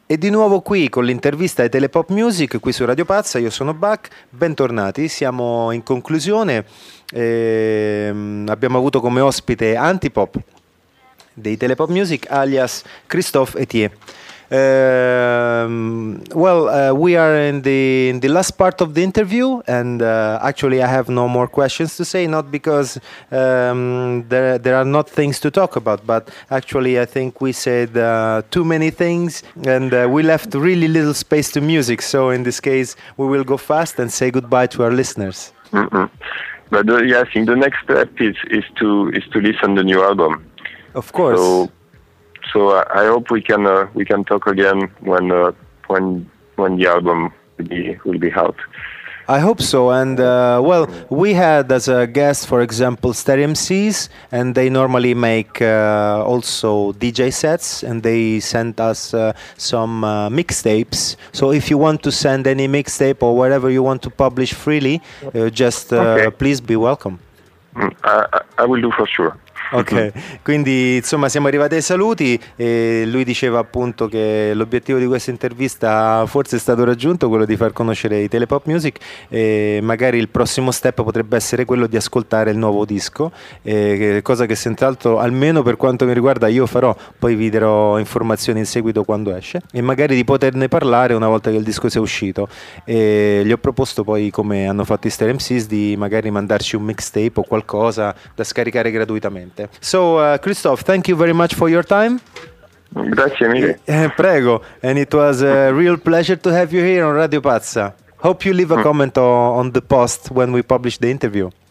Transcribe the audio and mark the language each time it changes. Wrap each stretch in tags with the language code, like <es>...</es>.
<it>Nuovo qui con l'intervista ai Telepop Music qui su Radio Pazza, io sono Bach, bentornati, siamo in conclusione, abbiamo avuto come ospite Antipop dei Telepop Music alias Christophe Etier.</it> <en>We are in the last part of the interview, and actually I have no more questions to say, not because there are not things to talk about, but actually I think we said too many things, and we left really little space to music, so in this case we will go fast and say goodbye to our listeners. Mm-hmm. But yeah, I think the next step is to listen the new album, of course. So I hope we can talk again when the album will be out. I hope so. And we had as a guest, for example, Stereo MCs, and they normally make also DJ sets, and they sent us some mixtapes. So if you want to send any mixtape or whatever you want to publish freely, okay. Please be welcome. I will do for sure.</en> <it>Ok, quindi insomma siamo arrivati ai saluti e lui diceva appunto che l'obiettivo di questa intervista forse è stato raggiunto, quello di far conoscere i Telepop Music, e magari il prossimo step potrebbe essere quello di ascoltare il nuovo disco, e cosa che senz'altro almeno per quanto mi riguarda io farò, poi vi darò informazioni in seguito quando esce, e magari di poterne parlare una volta che il disco sia uscito. E gli ho proposto poi, come hanno fatto i Stereo MCs, di magari mandarci un mixtape o qualcosa da scaricare gratuitamente.</it> <en>So, Christophe, thank you very much for your time.</en> <it>Grazie mille. Prego.</it> <en>And it was a real pleasure to have you here on Radio Pazza. Hope you leave a comment on the post when we publish the interview.</en>